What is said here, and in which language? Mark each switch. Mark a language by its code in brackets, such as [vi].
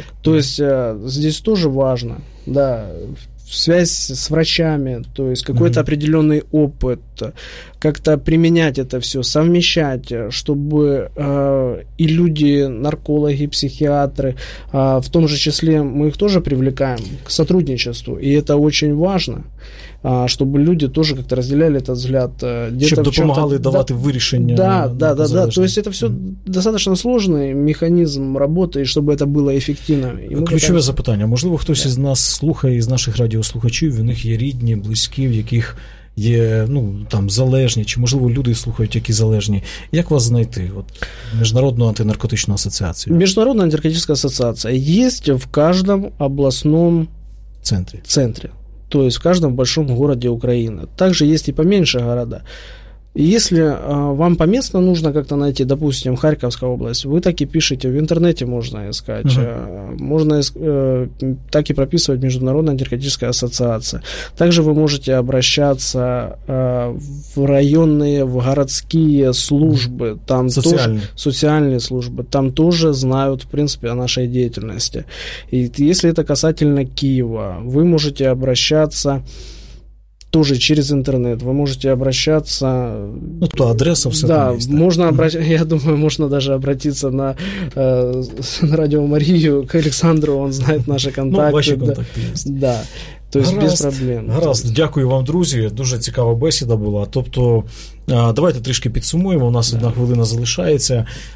[ru] То есть здесь тоже важно, да, связь с врачами, то есть какой-то определенный опыт, как-то применять это все, совмещать, чтобы и люди, наркологи, психиатры, в том же числе мы их тоже привлекаем к сотрудничеству, и это очень важно, чтобы люди тоже как-то разделяли этот взгляд. Чтобы помогали давать вырешение. Да. То есть это все достаточно сложный механизм работы, и чтобы это было эффективно. Ключевое запитание. [uk] Можливо, [ru] кто-то из нас слушает, [uk] из наших радиослухачів, у них є рідні, близькі, в яких є, ну, там, залежні, чи, можливо, люди слухають, які залежні. Як вас знайти? От, Міжнародну антинаркотичну асоціацію. Міжнародна антинаркотична асоціація є в кожному обласному центрі. [ru] То есть в каждом большом городе Украины. Также есть и поменьше города. Если вам поместно нужно как-то найти, допустим, Харьковская область, вы так и пишете, в интернете можно искать. Можно так и прописывать Международная антинаркотическая ассоциация. Также вы можете обращаться в районные, в городские службы. Там социальные службы. Там тоже знают, в принципе, о нашей деятельности. И если это касательно Киева, вы можете обращаться тоже через интернет, вы можете обращаться... Ну, то адреса все да, там есть. Да, можно обратиться, я думаю, можно даже обратиться на Радио Марию, к Александру, он знает наши контакты. Ну, ваши контакты есть. [uk] Да. Тобто без проблем. Гаразд, дякую вам, друзі. Дуже цікава бесіда була. Тобто, давайте трішки підсумуємо. У нас одна хвилина залишається.